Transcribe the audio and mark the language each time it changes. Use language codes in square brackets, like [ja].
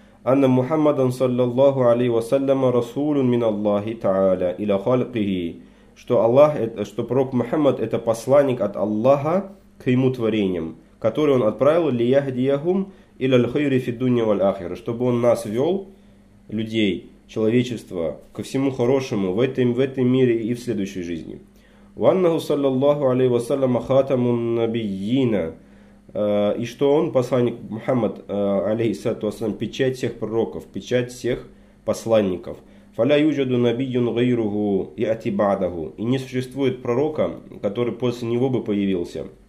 [ar] أن محمد صلى الله عليه وسلم رسول من الله تعالى إلى خلقه, [ru] что Аллах, что пророк Мухаммад – это посланник от Аллаха к ему творениям, которые он отправил, [ar] «ли яхдиягум иля аль-хайри фи дунья валь-ахира», [ru] чтобы он нас вел, людей, человечество, ко всему хорошему в этом мире и в следующей жизни. [ar] وأنه صلى الله عليه وسلم خاتم النبيين. [ru] И что он, посланник Мухаммад, алейхиссату вассалям, печать всех пророков, печать всех посланников. [ar] Фаля юджаду набийюн гайруху и ати бадаху. [ru] И не существует пророка, который после него бы появился.